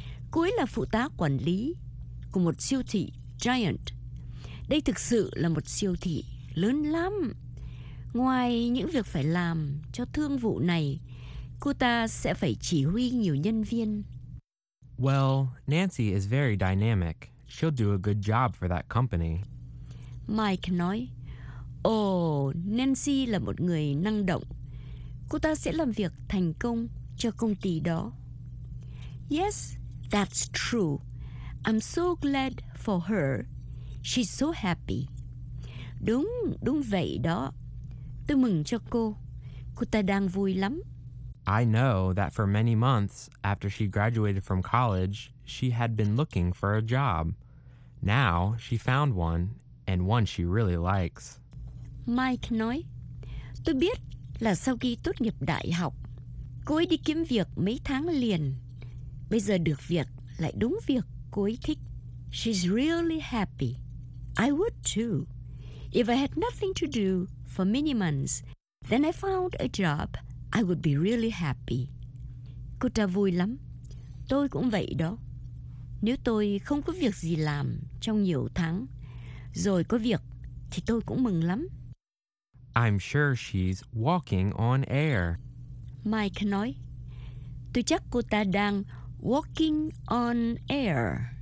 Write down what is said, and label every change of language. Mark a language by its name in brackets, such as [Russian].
[Vietnamese] Cô ấy là phụ tá quản lý của một siêu thị giant. Đây thực sự là một siêu thị lớn lắm. Ngoài những việc phải làm cho thương vụ này, cô ta sẽ phải chỉ huy nhiều nhân viên. [English] Well, Nancy is very dynamic. She'll do a good job for that company. [Vietnamese] Mike nói, Nancy là một người năng động. Cô ta sẽ làm việc thành công cho công ty đó. [English] Yes, that's true. I'm so glad for her. She's so happy. [Vietnamese] Đúng, đúng vậy đó. Tôi mừng cho cô. Cô ta đang vui lắm. [English] I know that for many months after she graduated from college, she had been looking for a job. Now she found one, and one she really likes. [Vietnamese] Mike nói, tôi biết là sau khi tốt nghiệp đại học, cô ấy đi kiếm việc mấy tháng liền. Bây giờ được việc lại đúng việc cô ấy thích. [English] She's really happy. I would too. If I had nothing to do for many months, then I found a job, I would be really happy. [Vietnamese] Cô ta vui lắm. Tôi cũng vậy đó. Nếu tôi không có việc gì làm trong nhiều tháng, rồi có việc, thì tôi cũng mừng lắm. [English] I'm sure she's walking on air. [Vietnamese] Mike nói, tôi chắc cô ta đang [English] walking on air.